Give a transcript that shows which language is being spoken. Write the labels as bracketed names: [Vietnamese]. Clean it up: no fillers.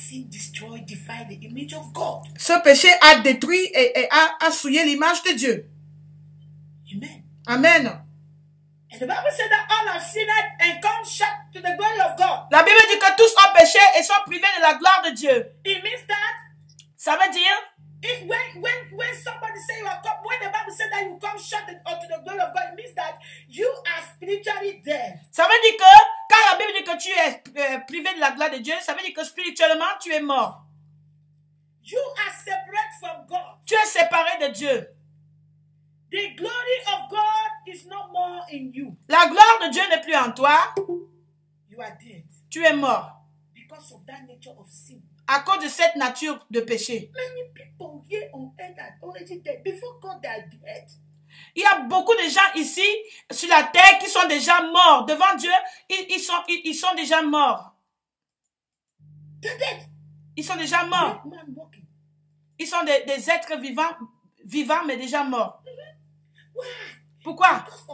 [English] Destroy the image of God. [French] Ce péché a détruit et a souillé l'image de Dieu. [English] Amen. [French] Amen. [English] The Bible says that all have sinned and come short to the glory of God. [French] La Bible dit que tous ont péché et sont privés de la gloire de Dieu. [English] It means that. [French] Ça veut dire? [English] If when somebody say you are come, when the Bible says that you come short unto the glory of God, it means that you are spiritually dead. [French] Ça veut dire que quand la Bible dit que tu es privé de la gloire de Dieu, ça veut dire que spirituellement tu es mort. [English] You are separate from God. [French] Tu es séparé de Dieu. [English] The glory of God is no more in you. [French] La gloire de Dieu n'est plus en toi. [English] You are dead. [French] Tu es mort. [English] Because of that nature of sin. [French] À cause de cette nature de péché. [English] Many people here on earth are already dead. Before God, they are dead. [French] Il y a beaucoup de gens ici sur la terre qui sont déjà morts devant Dieu. Ils sont déjà morts. Ils sont déjà morts. Ils sont des êtres vivants mais déjà morts. Pourquoi?